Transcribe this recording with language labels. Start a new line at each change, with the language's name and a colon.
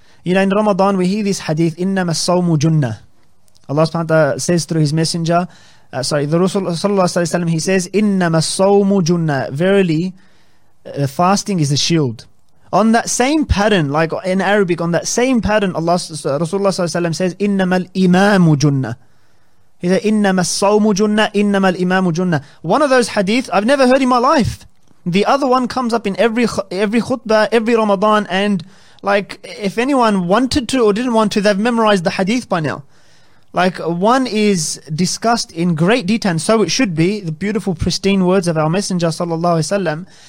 English: You know, in Ramadan we hear this hadith,
Arabic: إِنَّمَا الصَّوْمُ جُنَّةٌ.
English: Allah subhanahu wa ta'ala says through His Messenger, the Rasulullah sallallahu alayhi wa sallam, He says, إِنَّمَا الصَّوْمُ جُنَّةٌ. Verily, fasting is a shield. On that same pattern, like in Arabic, on that same pattern, Rasulullah sallallahu alayhi wa sallam says,
Arabic: إِنَّمَا الْإِمَامُ جُنَّةٌ.
English: He said,
Arabic: إِنَّمَا الصَّوْمُ جُنَّةٌ إِنَّمَا الْإِمَامُ جُنَّةٌ.
English: One of those hadith I've never heard in my life. The other one comes up in every khutbah, every Ramadan, and like if anyone wanted to or didn't want to, they've memorized the hadith by now. Like one is discussed in great detail, and so it should be, the beautiful pristine words of our Messenger sallallahu alaihi wasallam.